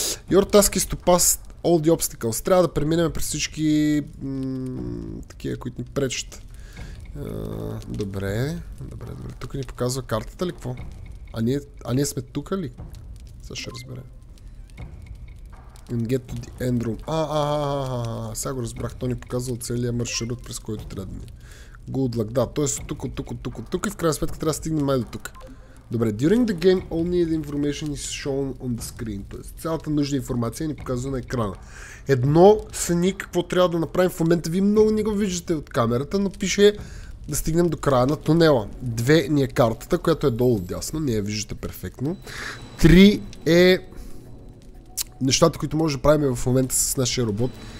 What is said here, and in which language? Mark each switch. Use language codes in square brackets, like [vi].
[en] Your task is to pass all the obstacles. [bg] Трябва да преминем през всички... такива, които ни пречат. Добре, добре, добре. Тук ни показва картата ли какво? А ние сме тука ли? Сега ще разберем. [en] And get to the end room. [bg] Сега го разбрах. Той ни показва целия маршрут, през който трябва да ни. [en] Good luck. [bg] Да, т.е. тук и в крайна сметка трябва да стигнем май до тук. [en] Добре, during the game only the information is shown on the screen. [bg] Т.е. цялата нужна информация ни показва на екрана. Едно сник, какво трябва да направим в момента. Вие много не го виждате от камерата, но пише да стигнем до края на тунела. Две ни е картата, която е долу дясно. Ние я виждате перфектно. Три е... нещата, които може да правим в момента с нашия робот.